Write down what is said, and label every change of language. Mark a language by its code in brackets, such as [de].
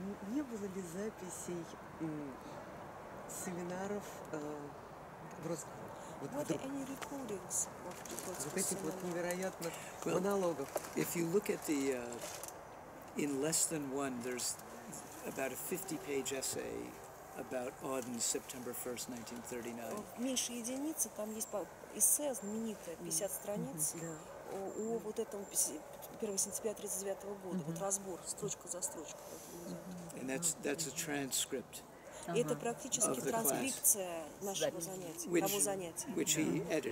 [ru] Не было ли записей семинаров в Роскоме? [en] Вот any recordings of [ru] вот этих вот невероятных монологов. [en] Well, if you look at the in less than one, there's about a 50-page essay about Auden's September 1st, 1939. [ru] Меньше единицы, там есть эссе знаменитое, 50 страниц о вот этом 1 сентября 1939 года. Вот разбор, строчка за строчкой. [en] And that's a transcript. [ru] И это практически транскрипция нашего занятия, того занятия.